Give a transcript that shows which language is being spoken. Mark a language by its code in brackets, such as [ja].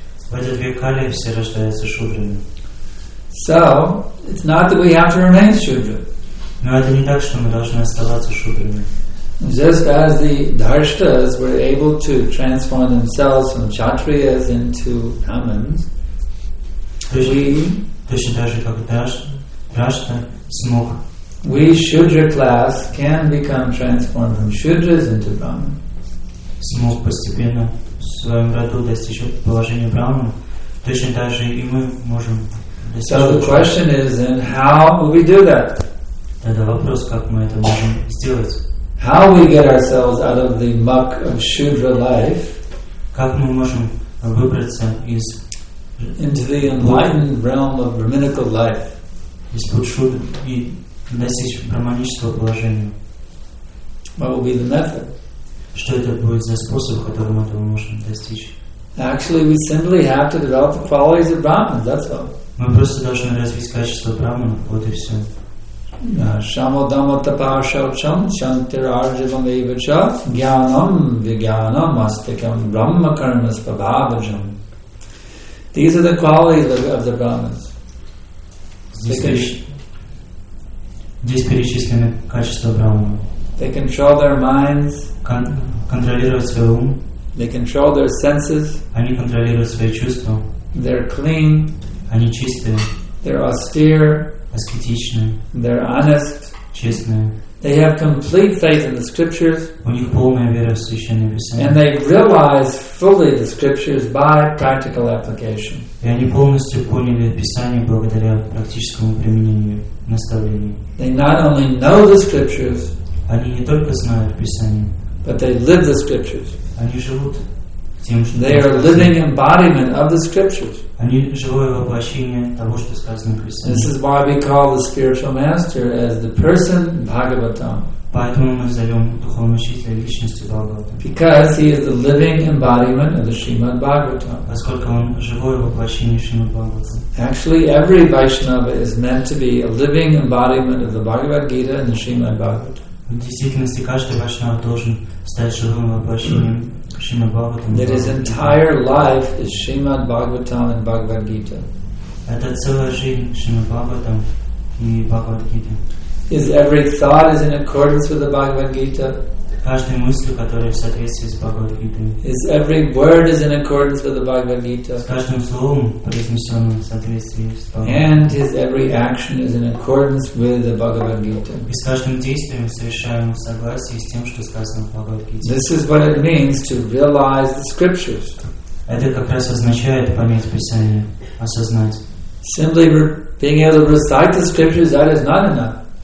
[ru] В этот век Кали все рождаются шудрами. [en] So, it's not that we have to remain Shudra. [ru] Но это не так, что мы должны оставаться шудрами. [en] Just as the Dharshtas were able to transform themselves from Kshatriyas into Brahmins, we Shudra class can become transformed from Shudras into Brahmins. [ru] Смог постепенно в своем роду достичь положения Брахмана. Точно так же и мы можем достичь. [en] So the question is, then, how will we do that? [ru] Тогда вопрос, как мы это можем сделать? [en] How we get ourselves out of the muck of Shudra life? [ru] Как мы можем выбраться из [en] into the enlightened realm of brahminical life? [ru] Из Шудры и достичь брахманического положения. [en] What will be the method? [ru] Что это будет за способ, которым этого можно достичь? [en] Actually, we simply have to develop the qualities of Brahmins. That's all. [ru] Мы просто должны развить качество брахманов. Вот и все. [sa] Shamodama tapashavcham chantirarjivam evacha jnanam vijnanam mastikam brahma karmas pavavajam. [en] These are the qualities of the Brahmins. [ru] Здесь перечислены качества брахмана. [en] They control their minds. [ru] Контролируют свой ум. [en] They control their senses. [ru] Они контролируют свои чувства. [en] They're clean. [ru] Они чистые. [en] They're austere. [ru] Аскетичные. [en] They're honest. [ru] Честные. [en] They have complete faith in the scriptures. [ru] У них полная вера в священные писания. [en] And they realize fully the scriptures by practical application. [ru] И они полностью поняли писание благодаря практическому применению наставлений. [en] They not only know the scriptures. [ru] Они не только знают писание. [en] But they live the scriptures. [ru] Они живут тем, что [en] they are living embodiment of the scriptures. [ru] Они живое воплощение того, что сказано в Писании. [en] This is why we call the spiritual master as the person Bhagavatam. [ru] Поэтому мы зовем духовного учителя личностью Бхагаватам. [en] Because he is the living embodiment of the Srimad Bhagavatam. [ru] Поскольку он живое воплощение Шримад Бхагаватам. [en] Actually, every Vaishnava is meant to be a living embodiment of the Bhagavad Gita and the Srimad Bhagavatam. [ru] В действительности каждый Вайшнав должен стать живым воплощением Шримад Бхагаватам. [en] That his entire life is Shrimad Bhagavatam and Bhagavad Gita. [ru] Это целая жизнь Шримад Бхагаватам и Бхагавад Гита. [en] His every thought is in accordance with the Bhagavad Gita. [ru] Каждая мысль, которая в соответствии с Бхагавад Гитой. [en] His every word is in accordance with the Bhagavad Gita. [ru] С каждым словом, произнесенным в соответствии с Бхагавад Гитой. [en] And his every action is in accordance with the Bhagavad Gita. [ru] И с каждым действием, совершаемым в согласии с тем, что сказано в Бхагавад Гите. [en] This is what it means to realize the scriptures. [ru] Это как раз означает понять Писание, осознать. [en] Simply being able to recite the scriptures, that is not enough.